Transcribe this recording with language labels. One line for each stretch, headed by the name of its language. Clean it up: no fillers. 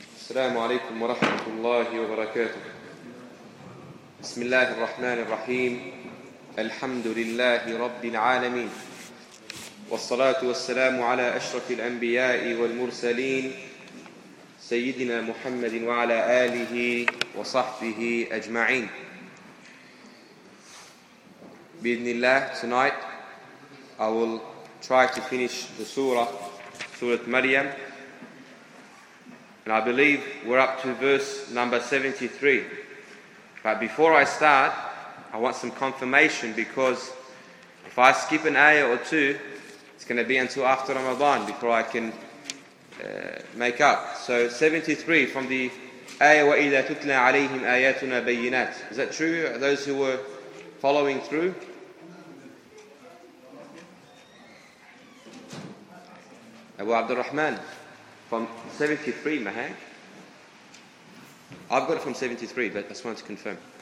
Arabic: السلام عليكم ورحمة الله وبركاته. بسم الله الرحمن الرحيم. الحمد لله رب العالمين، والصلاة والسلام على أشرف الأنبياء والمرسلين سيدنا محمد وعلى آله وصحبه أجمعين. بإذن الله
English: tonight I will try to finish the surah, Surah Maryam. And I believe we're up to verse number 73. But before I start, I want some confirmation, because if I skip an ayah or two, it's going to be until after Ramadan before I can make up. So 73 from the ayah,
Arabic: وَإِذَا تُتْلَى عَلَيْهِمْ آيَاتُنَا بَيِّنَاتٍ.
English: Is that true, those who were following through? Abu Abdul Rahman. From 73, Mahang. I've got it from 73, but I just want to confirm.